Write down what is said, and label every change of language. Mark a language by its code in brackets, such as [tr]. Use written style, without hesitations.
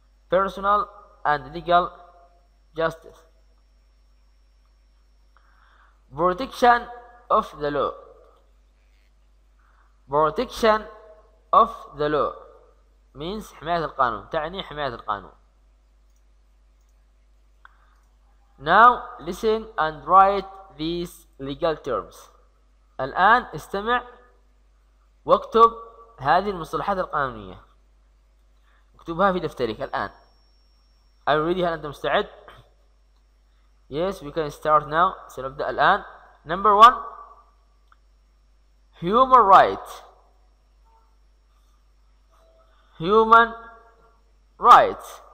[en] personal and legal justice, protection of the law, protection of the law means [ar] حماية القانون, تعني حماية القانون. [en] Now listen and write these legal terms. [ar] الآن استمع واكتب هذه المصطلحات القانونية, اكتبها في دفترك الآن. [en] Are you ready? [ar] هل أنت مستعد؟ [en] Yes, we can start now. [ar] سنبدأ الآن. [en] Number one, human right. Human right.